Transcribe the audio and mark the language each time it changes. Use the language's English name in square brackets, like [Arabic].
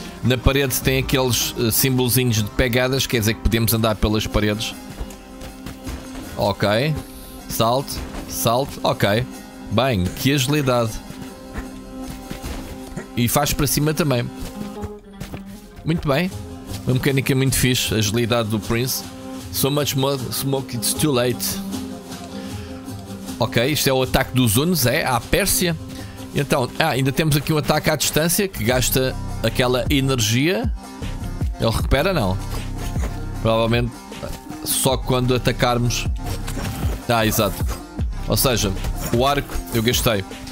[Portuguese] Na parede tem aqueles símbolozinhos de pegadas, quer dizer que podemos andar pelas paredes. Ok. Salto, salto, ok. Bem, que agilidade. E faz para cima também. Muito bem. Uma mecânica muito fixe. A agilidade do Prince. [English] So much smoke, it's too late. [Portuguese] Ok, isto é o ataque dos Hunos, é? À Pérsia. Então, ainda temos aqui um ataque à distância que gasta aquela energia. Ele recupera, não? Provavelmente só quando atacarmos. Ah, exato. Ou seja, o arco eu gastei.